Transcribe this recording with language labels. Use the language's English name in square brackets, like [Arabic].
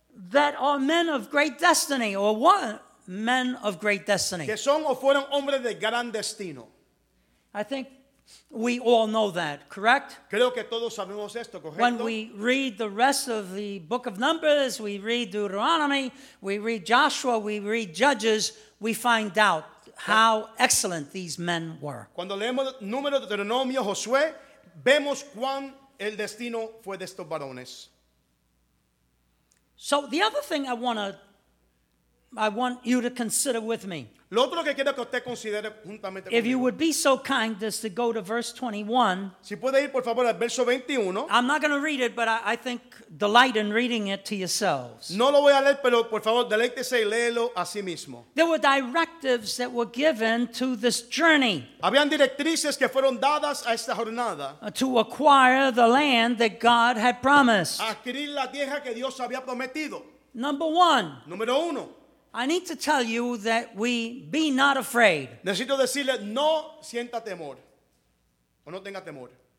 [English] That are men of great destiny, or what men of great destiny? [Spanish] Que son o fueron hombres de gran destino. [English] I think we all know that, correct? [Spanish] Creo que todos sabemos esto, correcto? [English] When we read the rest of the book of Numbers, we read Deuteronomy, we read Joshua, we read Judges, we find out how excellent these men were. [Spanish] Cuando leemos Números, Deuteronomio, Josué, vemos cuán el destino fue de estos varones. [English] So the other thing I want you to consider with me. [Spanish] Lo otro que quiero que usted considere juntamente conmigo. [English] If you would be so kind as to go to verse 21. [Spanish] Si puede ir por favor al verso 21. [English] I'm not going to read it, but I think delight in reading it to yourselves. [Spanish] No lo voy a leer, pero por favor deleítese y léelo a sí mismo. [English] There were directives that were given to this journey. [Spanish] Habían directrices que fueron dadas a esta jornada. [English] To acquire the land that God had promised. [Spanish] Adquirir la tierra que Dios había prometido. [English] Number one. [Spanish] Número uno. [English] I need to tell you that we be not afraid. [Spanish] Necesito decirle, no sienta temor, o no tenga temor.